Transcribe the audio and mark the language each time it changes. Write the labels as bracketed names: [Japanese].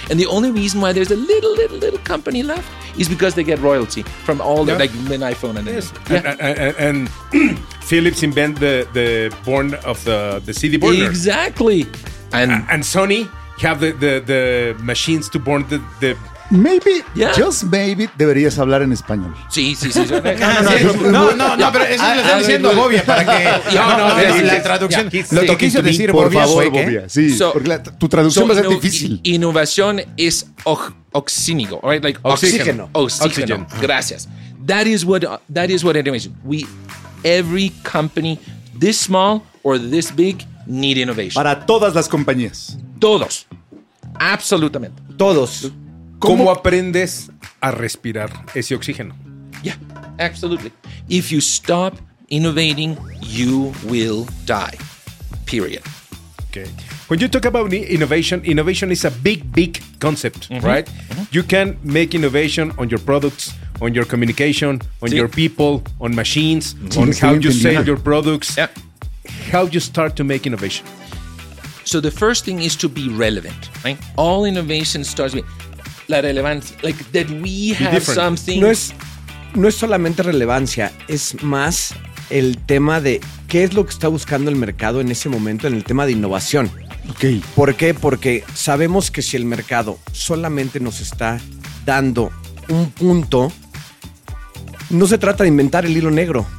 [English] And the only reason why there's a little company left is because they get royalty from all the an iPhone and this. Yeah. And Philips invented the board of the CD burner. Exactly. And Sony have the machines to burn the Maybe, yeah. just maybe, [Spanish] deberías hablar en español. Sí. No, pero eso le están diciendo a Bobia para que... La traducción... Yeah. Lo que quiso decir Bobia. Por favor, Bobia. Sí, porque tu traducción va a ser difícil. Innovación es oxígeno, [English] right? Like [Spanish] oxígeno. [English] Gracias. That is what innovation. Every company, this small or this big, need innovation. [Spanish] Para todas las compañías. Todos. Absolutamente. Todos. ¿Cómo aprendes a respirar ese oxígeno? [English] Yeah, absolutely. If you stop innovating, you will die. Period. Okay. When you talk about innovation, innovation is a big, big concept, mm-hmm. right? Mm-hmm. You can make innovation on your products, on your communication, on your people, on machines, on how you sell your products. Yeah. How you start to make innovation? So the first thing is to be relevant, right? All innovation starts with... [Spanish] La relevancia, [English] like that we have something. [Spanish] No es solamente relevancia, es más el tema de qué es lo que está buscando el mercado en ese momento en el tema de innovación. [English] Okay. [Spanish] ¿Por qué? Porque sabemos que si el mercado solamente nos está dando un punto, no se trata de inventar el hilo negro.